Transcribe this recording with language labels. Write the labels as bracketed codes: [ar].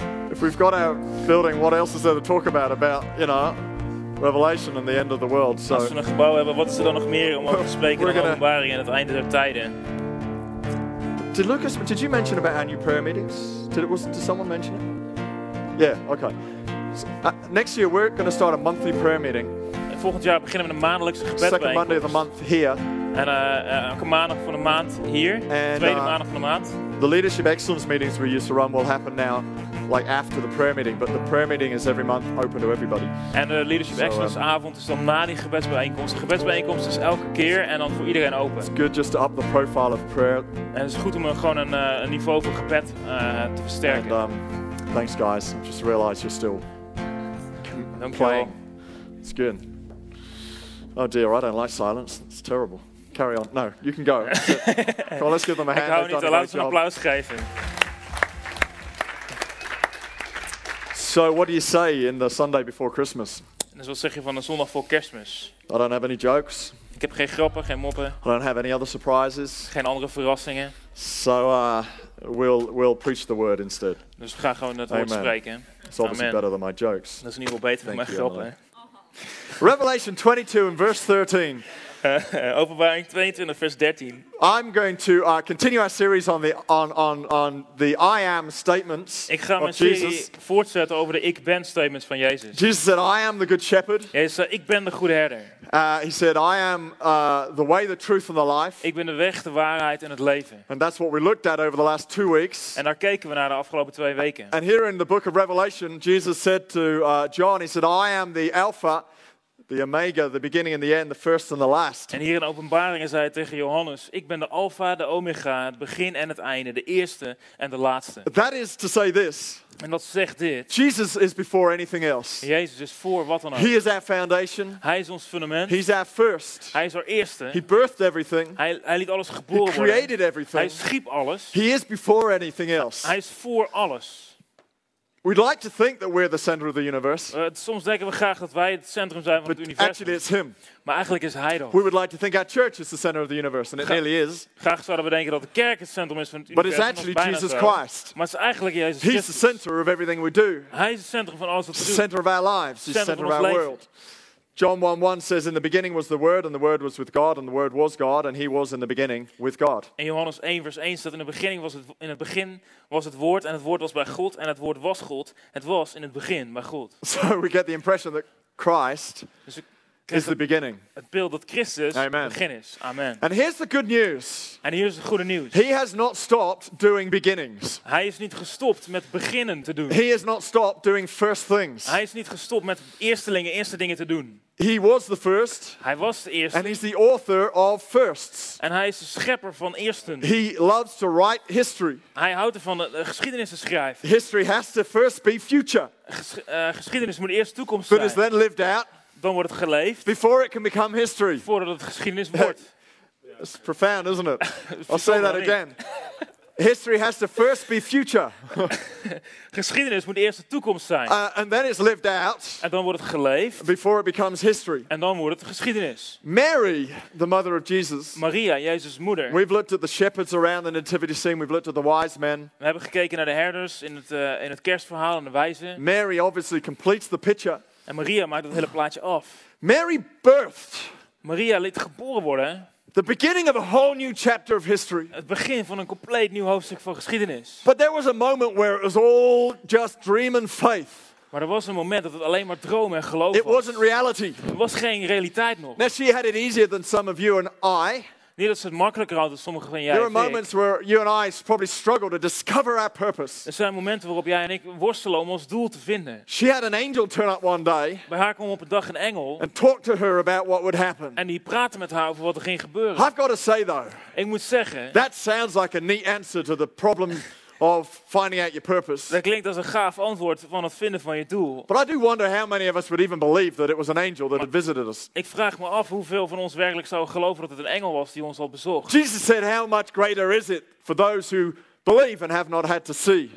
[en] If we've got our building, what else is there to talk about, you know, Revelation and the end of the world? So, [nl] als we een gebouw hebben, wat is er dan nog meer om over te spreken dan Openbaringen en het einde der tijden? [en] Did Lucas, did you mention about our new prayer meetings? Did someone mention it? Yeah, okay. Next year we're going to start a monthly prayer meeting. [nl] Volgend jaar beginnen we een maandelijkse gebedsbijeenkomst. [en] Second Monday of the month here. [nl] En elke maandag van de maand hier. [en] And, [nl] tweede maandag van de maand. [en] The leadership excellence meetings we used to run will happen now, like after the prayer meeting. But the prayer meeting is every month open to everybody. [nl] En de leadership excellence avond is dan na die gebedsbijeenkomst. De gebedsbijeenkomst is elke keer en dan voor iedereen open. [en] It's good just to up the profile of prayer. [nl] En het is goed om gewoon een niveau van gebed te versterken. [en] And, thanks guys, I just realized you're still playing. It's good. Oh dear, I don't like silence. It's terrible. Carry on. No, you can go. Come on, let's give them a hand. [nl] Ik hou niet, laat ze een applaus geven. [en] So what do you say in the Sunday before Christmas? [nl] Dus wat zeg je van de zondag voor Kerstmis? [en] I don't have any jokes. [nl] Ik heb geen grappen, geen moppen. [en] I don't have any other surprises. [nl] Geen andere verrassingen. [en] So we'll preach the word instead. [nl] Dus we gaan gewoon het woord [en] Amen. [nl] Spreken. [en] It's obviously Amen. Better than my jokes. [nl] Dat is in ieder geval beter [en] Thank [nl] dan mijn grappen. [en] Revelation 22 and verse 13. [nl] Openbaring 22 vers 13. [en] I'm going to continue our series on the I am statements. [nl] Ik ga mijn serie voortzetten over de ik ben statements van Jezus. [en] Jesus said, I am the good shepherd. [nl] Jezus zei, ik ben de goede herder. [en] He said, I am the way, the truth, and the life. [nl] Ik ben de weg, de waarheid en het leven. [en] And that's what we looked at over the last 2 weeks. [nl] En daar keken we naar de afgelopen 2 weken. [en] And here in the book of Revelation, Jesus said to John, he said, I am the Alpha. The Omega, the beginning and the end, the first and the last. [nl] En hier in Openbaringen zei hij tegen Johannes, ik ben de Alpha, de Omega, het begin en het einde, de eerste en de laatste. [en] That is to say this. [nl] En dat zegt dit. [en] Jesus is before anything else. [nl] Jezus is voor wat dan ook. [en] He is our foundation. [nl] Hij is ons fundament. [en] He's our first. [nl] Hij is our eerste. [en] He birthed everything. [nl] Hij liet alles geboren [en] He created [nl] worden. [en] Everything. [nl] Hij schiep alles. [en] He is before anything else. [nl] Hij is voor alles. [en] We'd like to think that we're the center of the universe. [nl] Soms denken we graag dat wij het centrum zijn van [en] But [nl] het universum. [en] Actually it's him. [nl] Maar eigenlijk is hij dat. [en] We would like to think our church is the center of the universe, and it really is. [nl] Graag zouden we denken dat de kerk het centrum is van het [en] But [nl] universum. [en] But it's actually Jesus Christ. [nl] Maar het is eigenlijk Jezus [en] Christus. He's the center of everything we do. [nl] Hij is het centrum van alles wat we doen. [en] The center of our lives. He's the center of our [nl] leven. [en] World. John 1:1 says, "In the beginning was the Word, and the Word was with God, and the Word was God, and He was in the beginning with God." [nl] In Johannes 1:1 staat, in het begin was het Woord, en het Woord was bij God, en het Woord was God. Het was in het begin bij God. [en] So we get the impression that Christ is the beginning. [nl] Het beeld dat Christus het begin is. [en] Amen. And here's the good news. [nl] En hier is het goede nieuws. [en] He has not stopped doing beginnings. [nl] Hij is niet gestopt met beginnen te doen. [en] He has not stopped doing first things. [nl] Hij is niet gestopt met eerstelingen, eerste dingen te doen. [en] He was the first. [nl] Hij was de eerste. [en] And he's the author of firsts. [nl] En hij is de schepper van eersten. [en] He loves to write history. [nl] Hij houdt ervan de geschiedenis te schrijven. [en] History has to first be future. [nl] Geschiedenis moet eerst toekomst zijn. [en] But is then lived out. [nl] Dan wordt het geleefd. [en] Before it can become history. [nl] Voordat het geschiedenis wordt. [en] It's profound, isn't it? I'll say that again. History has to first be future. [nl] Geschiedenis moet eerst de toekomst zijn. [en] And then it's lived out. [nl] En dan wordt het geleefd. [en] Before it becomes history. [nl] En dan wordt het geschiedenis. [en] Mary, the mother of Jesus. [nl] Maria, Jezus' moeder. [en] We've looked at the shepherds around the nativity scene. We've looked at the wise men. [nl] We hebben gekeken naar de herders in het kerstverhaal en de wijzen. [en] Mary obviously completes the picture. [nl] En Maria maakt het hele plaatje af. [en] Mary birthed. [nl] Maria liet geboren worden. [en] The beginning of a whole new chapter of history. [nl] Het begin van een compleet nieuw hoofdstuk van geschiedenis. [en] But there was a moment where it was all just dream and faith. [nl] Maar er was een moment dat het alleen maar droom en geloof was. [en] It wasn't reality. [nl] Het was geen realiteit nog. [en] Now she had it easier than some of you and I. [nl] Niet dat ze het makkelijker hadden dan sommigen van jij. [en] There are moments where you and I probably struggle to discover our purpose. [nl] Er zijn momenten waarop jij en ik worstelen om ons doel te vinden. [en] She had an angel turn up one day. [nl] Bij haar kwam op een dag een engel. [en] And talked to her about what would happen. [nl] En die praatte met haar over wat er ging gebeuren. [en] I've got to say though. [nl] Ik moet zeggen. [en] That sounds like a neat answer to the problem of finding out your purpose. [nl] Dat klinkt als een gaaf antwoord van het vinden van je doel. [en] But I do wonder how many of us would even believe that it was an angel that had visited us. [nl] Ik vraag me af hoeveel van ons werkelijk zou geloven dat het een engel was die ons al bezocht. [en] Jesus said, "How much greater is it for those who believe and have not had to see?"